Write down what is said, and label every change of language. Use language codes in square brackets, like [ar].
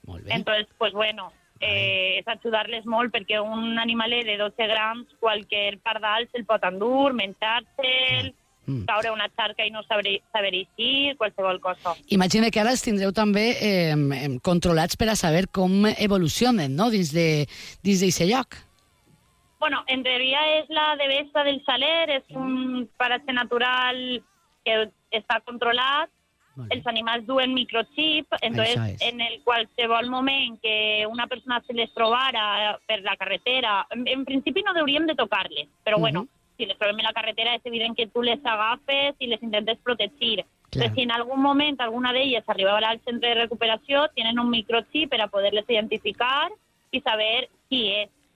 [ca] Entonces, pues bueno, és ajudar-les molt perquè un animal de 12 grams, qualsevol pardal se'l pot endur, menjar-se'l, caure una xarca i no saber eixir, qualsevol cosa. Imagina que ara els tindreu també controlats per a saber com evolucionen, no?, dins d'aquest lloc. [es] Bueno, en teoría es la devesa del Saler, es un paratge natural que está controlado. [ca] Els animals duen microchip, entonces en el qualsevol moment que una persona se les trobara per la carretera, en principi no deuríem de tocar-les, però bueno, si les trobem en la carretera és evident que tu les agafes i les intentes protegir. [es] Claro. Pero [ca] si en algun moment alguna d'elles arribava al centre de recuperació, tienen un microchip per a poder-les identificar i saber qui és.